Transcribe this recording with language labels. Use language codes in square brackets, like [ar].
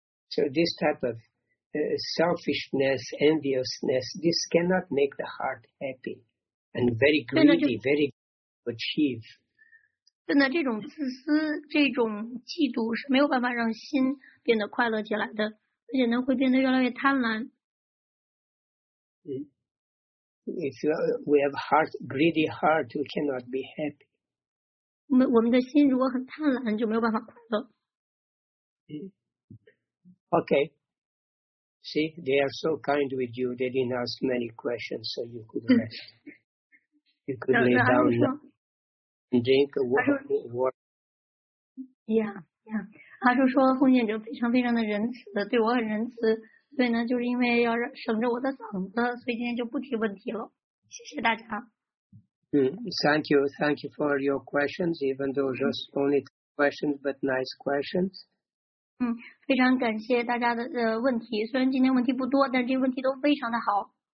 [en] So this type of selfishness, enviousness, this cannot make the heart happy and very greedy, very to achieve. [zh] 对呢，这种自私、这种嫉妒是没有办法让心变得快乐起来的，而且呢，会变得越来越贪婪。 [en] If we have heart greedy heart, we cannot be happy. [zh] 我们的心如果很贪婪，就没有办法快乐。 [en] Okay. See, they are so kind with you. They didn't ask many questions, so you could rest. You could lay down and drink water. Yeah. [zh] 阿叔说奉献者非常非常的仁慈，对我很仁慈。所以呢，就是因为要省着我的嗓子，所以今天就不提问题了。谢谢大家。 [en] Thank you. Thank you for your questions, even though just only questions, but nice questions. [zh] 非常感谢大家的问题。虽然今天问题不多，但这些问题都非常的好。